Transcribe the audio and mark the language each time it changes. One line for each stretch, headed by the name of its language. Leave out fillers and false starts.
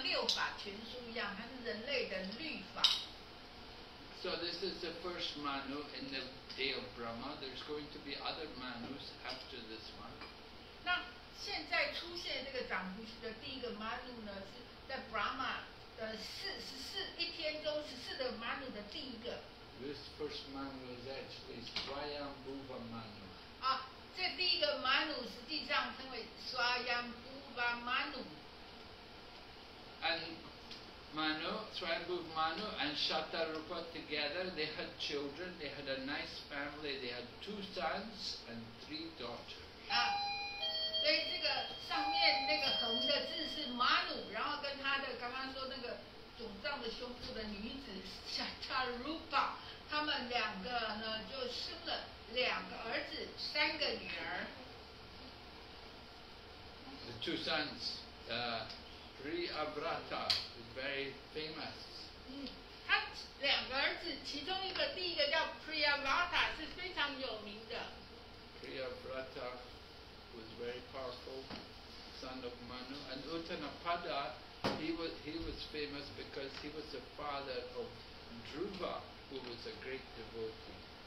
Chinese: 有一个有名的经典叫《Manu战歌》，那等于是人类的这个，就像六法全书一样，它是人类的律法。
English: So this is the first Manu in the day of Brahma. There's going to be other Manus after this one.
Chinese: 那现在出现这个长胡须的第一个 Manu 呢？是 在 Brahma 的14一天中14的 Manu 的第一个。
English: This first Manu is actually Swayambhuva Manu.
Chinese: 这第一个 Manu 实际上称为 Swayambhuva Manu.
English: And Manu, Swayambhuva Manu and Shatarupa together, they had children, they had a nice family, they had 2 sons and 3 daughters.
Chinese: 所以这个上面那个横的字是 Manu， 然后跟他的刚刚说那个肿胀的胸部的女子 Shatarupa， 他们两个呢就生了2个儿子，3个女儿。
English: The 2 sons, Priyavrata is very famous.
Chinese: 他两个儿子，其中一个第一个叫 Priyavrata 是非常有名的。
English: Priyavrata was very powerful, son of Manu. And Uttanapada, he was famous because he was the father of Dhruva, who was a great devotee.